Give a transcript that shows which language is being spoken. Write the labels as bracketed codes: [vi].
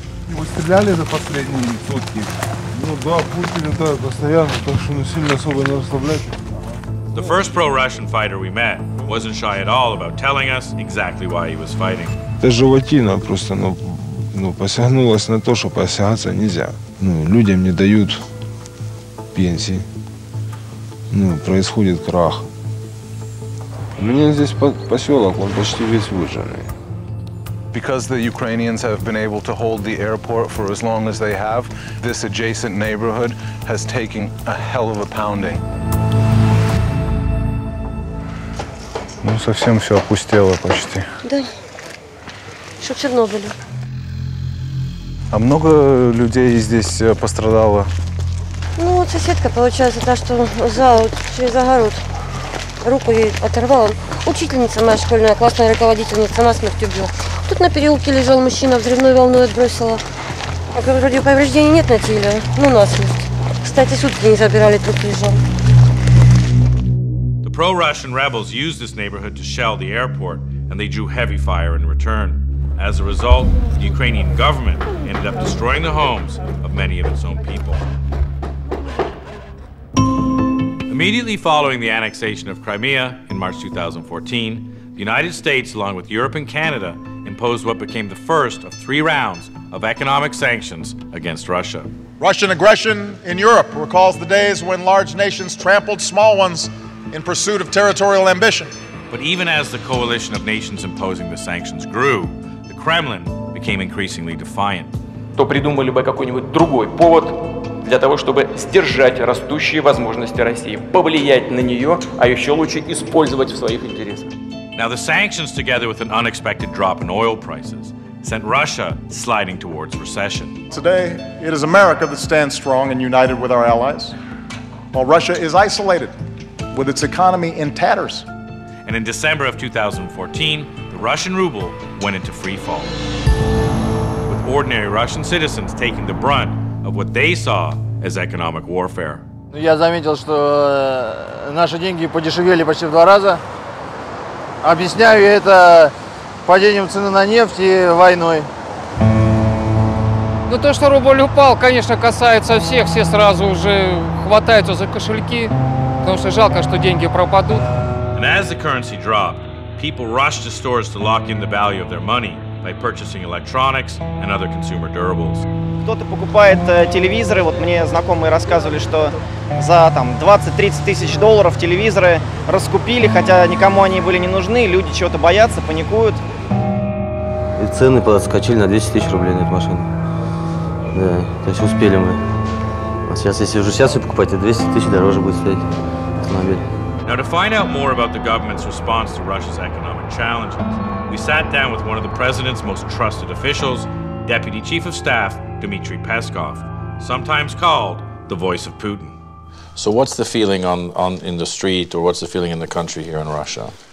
[ru] Вы стреляли за последние сутки? Ну да, Путин это постоянно, так что сильно особо не расслабляйте. [en] The first pro-Russian fighter we met wasn't shy at all about telling us exactly why he was fighting. [ru] Это животина просто, ну посягнулась на то, что посягаться нельзя. Ну, людям не дают пенсии. Ну, происходит крах. У меня здесь поселок, он почти весь выжженный. [en] Because the Ukrainians have been able to hold the airport for as long as they have, this adjacent neighborhood has taken a hell of a pounding. [ru] Ну совсем все опустело почти. Да. Что в Чернобыле? А много людей здесь пострадало? Ну вот соседка, получается, та, что за вот, через огород руку ей оторвала. Учительница моя школьная, классная руководительница, она смертью убила. Тут на переулке лежал мужчина, взрывной волной отбросила. Вроде повреждений нет на теле, но у нас есть. Кстати, сутки не забирали, тут лежал. [en] The pro-Russian rebels used this neighborhood to shell the airport, and they drew heavy fire in return. As a result, the Ukrainian government ended up destroying the homes of many of its own people. Immediately following the annexation of Crimea in March 2014, the United States, along with Europe and Canada, imposed what became the first of three rounds of economic sanctions against Russia. Russian aggression in Europe recalls the days when large nations trampled small ones in pursuit of territorial ambition. But even as the coalition of nations imposing the sanctions grew, the Kremlin became increasingly defiant. [ru] То придумали бы какой-нибудь другой повод для того, чтобы сдержать растущие возможности России, повлиять на нее, а еще лучше использовать в своих интересах. [en] Now the sanctions, together with an unexpected drop in oil prices, sent Russia sliding towards recession. Today, it is America that stands strong and united with our allies, while Russia is isolated, with its economy in tatters. And in December of 2014, the Russian ruble went into free fall, with ordinary Russian citizens taking the brunt of what they saw as economic warfare. [ru] Я заметил, что наши деньги подешевели почти в два раза. Объясняю это падением цены на нефть и войной. Ну то, что рубль упал, конечно, касается всех. Все сразу уже хватаются за кошельки, потому что жалко, что деньги пропадут. [en] And as the currency dropped, people rushed to stores to lock in the value of their money by purchasing electronics and other consumer durables. [ru] Кто-то покупает телевизоры. Вот мне знакомые рассказывали, что за там 20-30 тысяч долларов телевизоры раскупили, хотя никому они были не нужны. Люди чего-то боятся, паникуют. И цены подскочили на 200 тысяч рублей на эту машину. Да, то есть успели мы. А сейчас, если уже сейчас ее покупать, то 200 тысяч дороже будет стоить автомобиль. [en] Now to find out more about the government's response to Russia's economic challenges, we sat down with one of the president's most trusted officials, Deputy Chief of Staff Dmitry Peskov, sometimes called the voice of Putin. So what's the feeling on in the street, or what's the feeling in the country here in Russia?